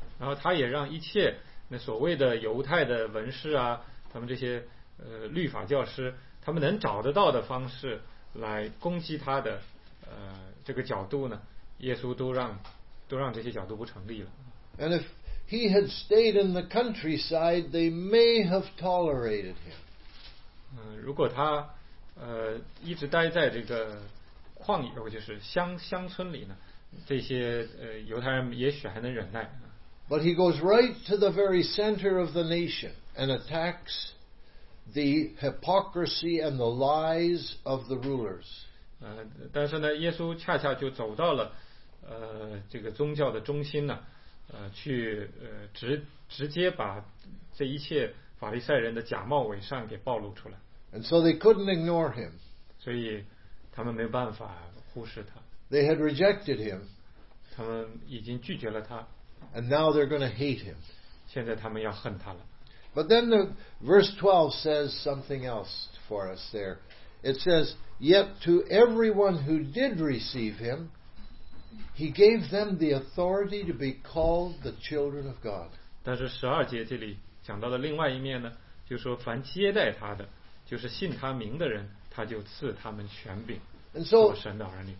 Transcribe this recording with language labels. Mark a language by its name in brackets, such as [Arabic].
[Chinese] 然后他也让一切那所谓的犹太的文士啊，他们这些。律法教师他们能找得到的方式来攻击他的这个角度呢，耶稣都让这些角度不成立了。 [English] And if he had stayed in the countryside, they may have tolerated him. [Chinese] 如果他一直待在这个旷野，就是乡村里呢，这些犹太人也许还能忍耐。 [English] But he goes right to the very center of the nation and attacks. The hypocrisy and the lies of the rulers. [Chinese] 但是呢，耶稣恰恰就走到了这个宗教的中心呢，去直接把这一切法利赛人的假冒伪善给暴露出来。 [English] And so they couldn't ignore him. [Chinese] 所以他们没办法忽视他。 [English] They had rejected him. [Chinese] 他们已经拒绝了他。 [English] And now they're going to hate him. [Chinese] 现在他们要恨他了。 [English] But then the verse 12 says something else for us there. It says, yet to everyone who did receive him, he gave them the authority to be called the children of God. [Chinese] 但是十二节这里讲到的另外一面呢，就是说凡接待他的，就是信他名的人，他就赐他们权柄，做神的儿女。